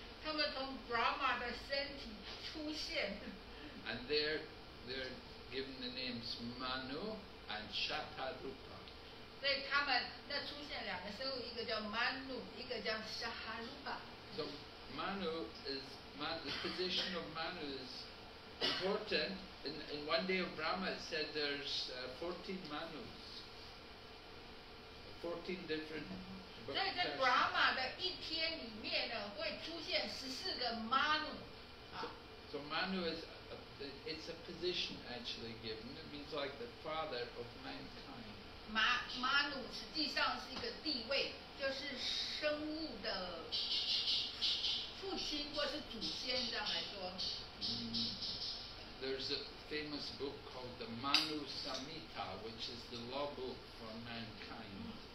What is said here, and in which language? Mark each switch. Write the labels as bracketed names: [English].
[Chinese] 他们从 Brahma 的身体出现。 [English] And their given the names Manu and Shatarupa. [Chinese] 所以他们那出现两个生物, 一个叫Manu, 一个叫Shatarupa. [English] So Manu is the position of Manu is important. In one day of Brahma, it said there's 14 Manus, 14 different. [Chinese] 在 Brahma 的一天里面呢，会出现14个 Manu. [English] So Manu is it's a position actually given. It means like the father of mankind. [Chinese] Manu 实际上是一个地位，就是生物的父亲或是祖先这样来说。 [English] There's a famous book called the Manu Samhita, which is the law book for mankind.